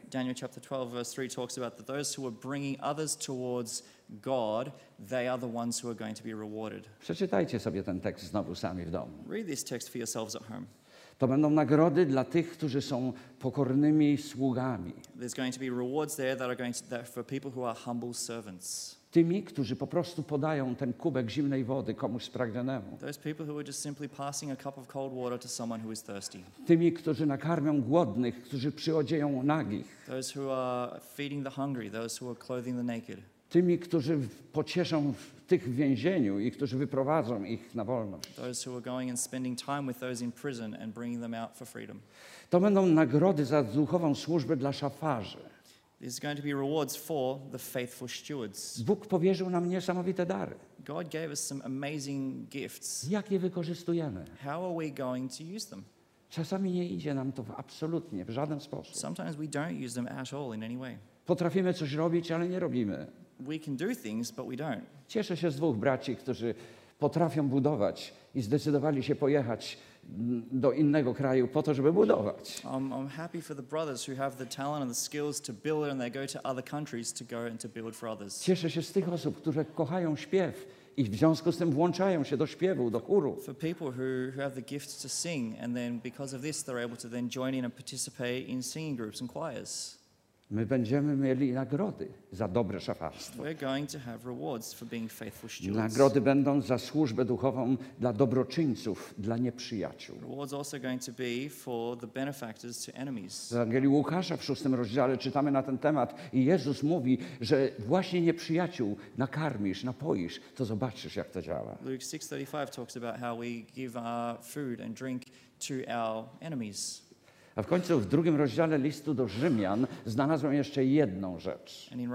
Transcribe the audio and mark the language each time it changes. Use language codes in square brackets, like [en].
[en] Daniel chapter 12 verse 3 talks about that those who are bringing others towards God, they are the ones who are going to be rewarded. [pl] Przeczytajcie sobie ten tekst znowu sami w domu. [en] Read this text for yourselves at home. [pl] To będą nagrody dla tych, którzy są pokornymi sługami. [en] There's going to be rewards there that are going to that for people who are humble servants. [pl] Tymi, którzy po prostu podają ten kubek zimnej wody komuś spragnionemu. [en] Those people who are just simply passing a cup of cold water to someone who is thirsty. [pl] Tymi, którzy nakarmią głodnych, którzy przyodzieją nagich. [en] Those who are feeding the hungry, those who are clothing the naked. [pl] Tymi, którzy pocieszą tych w więzieniu i którzy wyprowadzą ich na wolność. [en] Those who are going and spending time with those in prison and bringing them out for freedom. [pl] To będą nagrody za duchową służbę dla szafarzy. [en] There's going to be rewards for the faithful stewards. [pl] Bóg powierzył nam niesamowite dary. [en] God gave us some amazing gifts. [pl] Jak je wykorzystujemy? [en] How are we going to use them? [pl] Czasami nie idzie nam to absolutnie, w żaden sposób. [en] Sometimes we don't use them at all in any way. [pl] Potrafimy coś robić, ale nie robimy. [en] We can do things, but we don't. [pl] Cieszę się z dwóch braci, którzy potrafią budować i zdecydowali się pojechać do innego kraju po to, żeby budować. [en] I'm happy for the brothers who have the talent and the skills to build and they go to other countries to go and to build for others. [pl] Cieszę się z tych osób, które kochają śpiew i w związku z tym włączają się do śpiewu, do chóru. [en] For people who have the gift to sing and then because of this they're able to then join in and participate in singing groups and choirs. [pl] My będziemy mieli nagrody za dobre szafarstwo. [en] We're going to have rewards for being faithful stewards. [pl] Nagrody będą za służbę duchową dla dobroczyńców, dla nieprzyjaciół. [en] Rewards also going to be for the benefactors to enemies. [pl] W Ewangelii Łukasza w 6 rozdziale czytamy na ten temat i Jezus mówi, że właśnie nieprzyjaciół nakarmisz, napoisz, to zobaczysz, jak to działa. [en] Luke 6:35 talks about how we give our food and drink to our enemies. [pl] A w końcu w drugim rozdziale listu do Rzymian znalazłem jeszcze jedną rzecz.